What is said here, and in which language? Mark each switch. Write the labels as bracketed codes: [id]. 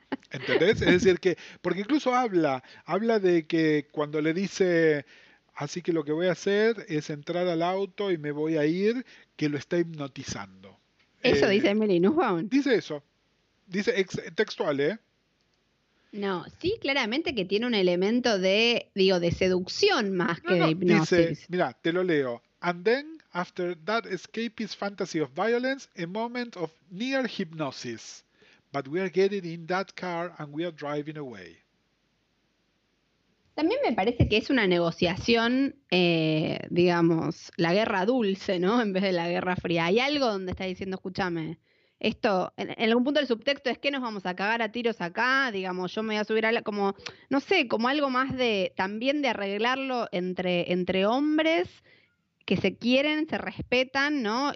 [es] ¿Entendés? Es decir, que porque incluso habla de que cuando le dice, así que lo que voy a hacer es entrar al auto y me voy a ir, que lo está hipnotizando. Eso dice Emily Nussbaum. Dice eso. Dice textual, ¿eh? No, sí, claramente que tiene un elemento de seducción más que de hipnosis. Dice, mira, te lo leo. [en] And then, after that escapist fantasy of violence, a moment of near hypnosis. But we are getting in that car and we are driving away. [es] También me parece que es una negociación, digamos, la guerra dulce, ¿no? En vez de la guerra fría. Hay algo donde está diciendo, escúchame, esto, en algún punto del subtexto es que nos vamos a cagar a tiros acá, digamos, yo me voy a subir a la, como, no sé, como algo más de, también de arreglarlo entre hombres que se quieren, se respetan, ¿no?